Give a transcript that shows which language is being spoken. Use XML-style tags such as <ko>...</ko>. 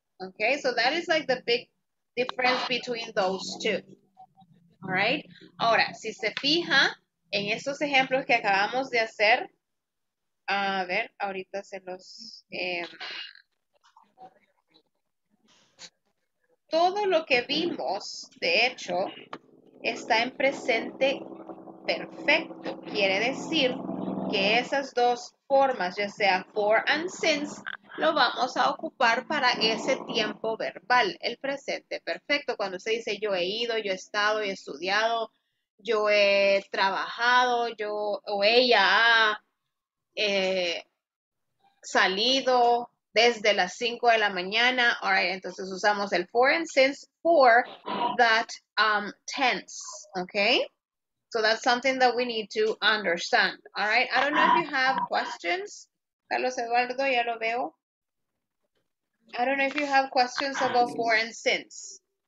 <en>Okay, so that is like the big difference between those two. All right.</en> <es>Ahora, si se fija, en estos ejemplos que acabamos de hacer, a ver, ahorita se los... todo lo que vimos, de hecho, está en presente perfecto. Quiere decir que esas dos formas, ya sea for and since, lo vamos a ocupar para ese tiempo verbal, el presente perfecto. Cuando se dice yo he ido, yo he estado, yo he estudiado, yo he trabajado, yo o ella ha salido desde las 5 de la mañana.</es> <en>All right,</en> <es>entonces usamos el</es> <en>for and since for that tense, okay? So that's something that we need to understand. All right, I don't know if you have questions. Carlos Eduardo,</en> <es>ya lo veo.</es> <en>I don't know if you have questions about for and since.</en>